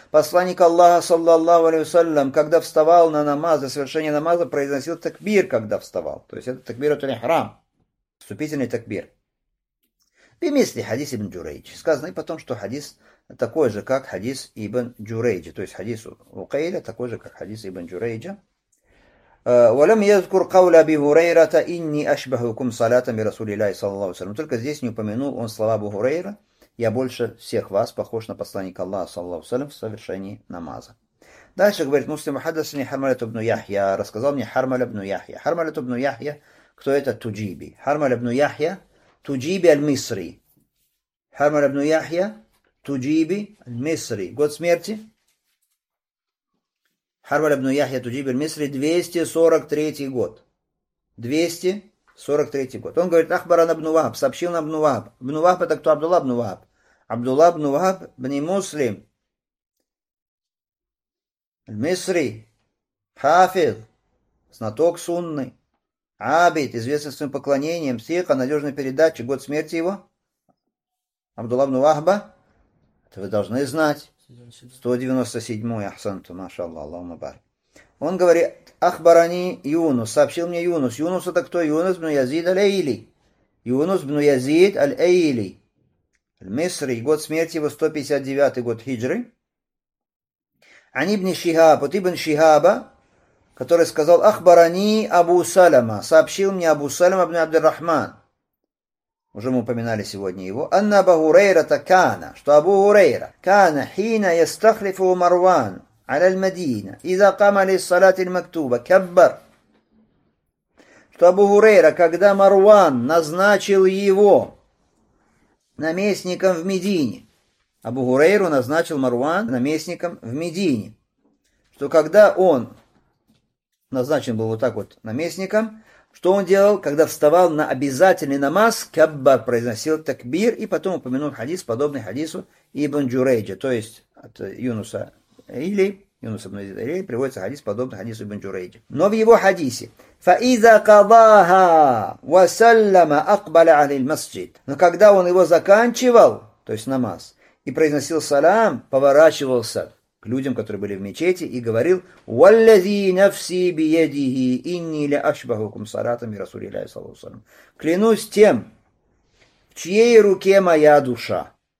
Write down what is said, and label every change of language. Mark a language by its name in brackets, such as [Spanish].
[Russian] Посланник Аллаха саллаллаху алейхи ва саллям, когда вставал на намаз, за совершение намаза, произносил такбир, когда вставал. То есть это такбир от ихрам, вступительный такбир. Бимисли хадис ибн Джурейдж. Сказано и потом, что хадис такой же, как хадис ибн Джурейджа. То есть хадис Укейля такой же, как хадис ибн Джурейджа. [Arabic] ولم يذكر قول أبي هريرة إني أشبهكم صلاة برسول الله صلى الله عليه وسلم. [Russian] Только здесь не упомянул он слова Абу Хурейра. Я больше всех вас похож на посланника Аллаха صلى الله عليه وسلم в совершении намаза. Дальше говорит Муслим хадасани Хармалет ибн Яхья, рассказал мне Хармалет ибн Яхья. Хармалет ибн Яхья, кто это? Туджиби. Хармалет ибн Яхья, Туджиби аль-Мисри. Хармалет ибн Яхья, Туджиби аль-Мисри. Год смерти? Хармаль ибн Яхья Туджиби аль-Мисри, 243 год. 243 год. Он говорит, Ахбаран ибн Вахаб, сообщил нам ибн Вахаб. Ибн Вахаб это кто? Абдулла ибн Вахаб. [Arabic] عبد الله بن وهب بن مسلم المصري، حافظ، [Russian] знаток [Arabic] سنة، عابد، [Russian] известен своим поклонением، [Arabic] ثقة، [Russian] надежный передатчик. Год смерти его عبد الله بن وهب، это вы должны знать. [Arabic] 197 أحسنت، ما شاء الله، اللهم بارك. [Russian] Он говорит, Ахбарани Юнус, сообщил мне Юнус. Юнус это кто? Юнус бну Язид аль-Эйли. Юнус бну Язид аль-Эйли. Аль-Мисри. Год смерти его 159 год хиджры. Ани бни Шихаб, вот ибн Шихаба, который сказал, Ахбарани Абу Салама, сообщил мне Абу Салама бну Абдур-Рахман. Уже мы упоминали сегодня его. Анна Абу Гурейра такана, что Абу Гурейра кана хина ястахлифу Марвану. [Arabic] على المدينة إذا قام للصلاة المكتوبة كبر. [Russian] Что Абу Гурейра, когда Марван назначил его наместником в Медине. Абу Гурейру назначил Марван наместником в Медине. Что когда он назначен был вот так вот наместником, что он делал, когда вставал на обязательный намаз, каббар произносил такбир и потом упомянул хадис, подобный хадису Ибн Джурейджа, то есть от Юнуса или Юнус ибн Язид аль-Эйли, приводится хадис подобный хадису ибн Джурейджа. Но в его хадисе [Arabic] فَإِذَا قَضَاهَا وَسَلَّمَ أَقْبَلَ عَلِي الْمَسْجِدِ. [Russian] Но когда он его заканчивал, то есть намаз, и произносил салам, поворачивался к людям, которые были в мечети, и говорил [Arabic] وَالَّذِي نَفْسِي بِيَدِهِ إِنِّي لَأَشْبَهُكُمْ صَلَاتًا بِرَسُولِ اللَّهِ صَلَّى اللَّهُ عَلَيْهِ وَسَلَّمَ. [Russian] Клянусь тем, в чьей руке моя душа.